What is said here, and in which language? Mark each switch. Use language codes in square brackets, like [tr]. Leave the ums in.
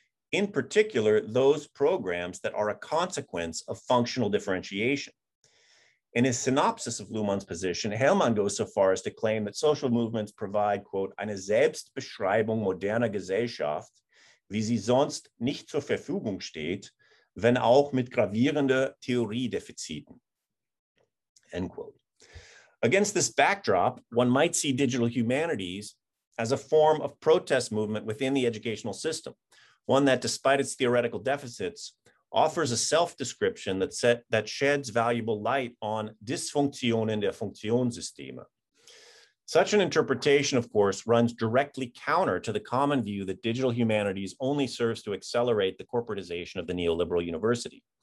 [en] In particular, those programs that are a consequence of functional differentiation. In his synopsis of Luhmann's position, Hellmann goes so far as to claim that social movements provide, quote, [de] eine Selbstbeschreibung moderner Gesellschaft, wie sie sonst nicht zur Verfügung steht, wenn auch mit gravierenden Theoriedefiziten. [en] End quote. Against this backdrop, one might see digital humanities as a form of protest movement within the educational system, one that, despite its theoretical deficits, offers a self description that, set, that sheds valuable light on [de] Dysfunktionen der Funktionssysteme, [en] such an interpretation, of course, runs directly counter to the common view that digital humanities only serves to accelerate the corporatization of the neoliberal university.